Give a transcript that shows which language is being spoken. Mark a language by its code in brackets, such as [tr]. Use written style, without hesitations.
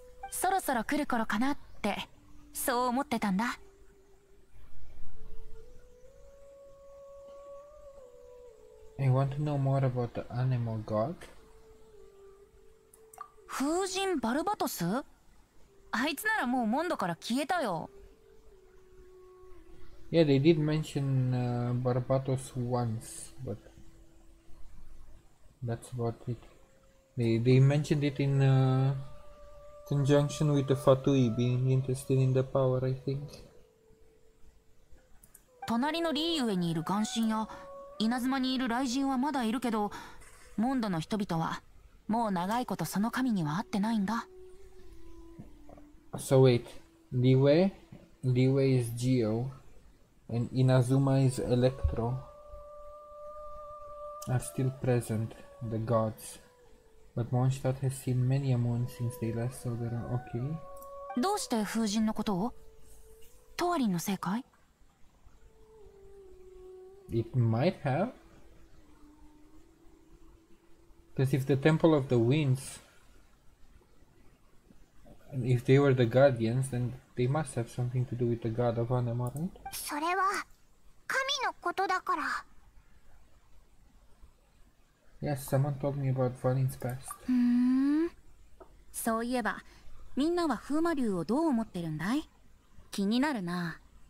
[ja] そろそろ来る頃かなって、そう思ってたんだ。 [en] I want to know more about the animal god. [ja] 風神バルバトス？あいつならもうモンドから消えたよ。 [en] Yeah, they did mention Barbatos once, but that's about it. They mentioned it in conjunction with the Fatui being interested in the power, I think. [ja] 隣のリーウェにいる元神や稲妻にいる雷神はまだいるけど、モンドの人々はもう長いことその神には会ってないんだ。 [en] So wait, Liwei is Geo. And Inazuma is Electro. Are still present, the gods. But Mondstadt has seen many a moon since they last saw their own. Okay. [ja] どうして風神のことを？トワリンのせいかい？ [en] It might have. Because if the Temple of the Winds. And if they were the guardians, then they must have something to do with the god of Anemo, right? [ja] それは神のことだから。 [en] Yes, someone told me about Valin's past. [ja] そういえば、みんなは風魔竜をどう思ってるんだい？気になるな。